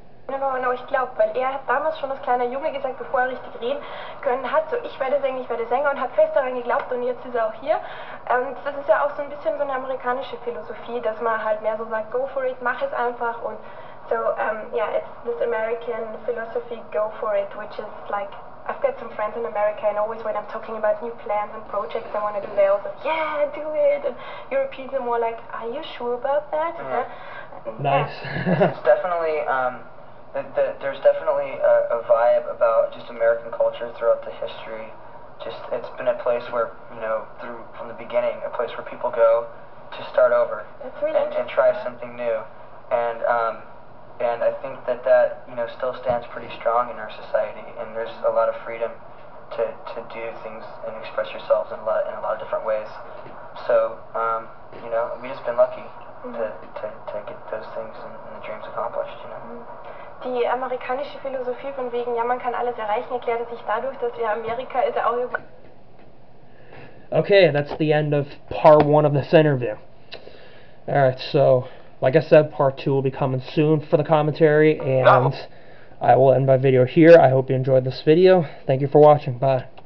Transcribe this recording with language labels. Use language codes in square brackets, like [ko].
[de] No, ich glaube, weil hat damals schon als kleiner Junge gesagt, bevor richtig reden können hat, so ich werde singen, ich werde Sänger, und hat fest daran geglaubt, und jetzt ist auch hier. Und das ist ja auch so ein bisschen so eine amerikanische Philosophie, dass man halt mehr so sagt, [en] go for it, [de] mach es einfach. Und so, [en] yeah, it's this American philosophy, go for it, which is like, I've got some friends in America, and always when I'm talking about new plans and projects I want to do, they also, yeah, do it. And Europeans are more like, are you sure about that? Mm-hmm. Yeah. Nice. It's definitely, there's definitely a vibe about just American culture throughout the history. Just, it's been a place where, you know, from the beginning, a place where people go to start over. That's really and try something new. And, and I think that, you know, still stands pretty strong in our society, and there's a lot of freedom to do things and express yourselves in a lot of different ways. So, you know, we've just been lucky to get those things and the dreams accomplished, you know. [de] Die amerikanische Philosophie von wegen, ja, man kann alles erreichen, erklärte sich dadurch, dass ja Amerika ist auch... [en] Okay, that's the end of part one of this interview. Alright, so... Like I said, part two will be coming soon for the commentary, and I will end my video here. I hope you enjoyed this video. Thank you for watching. Bye.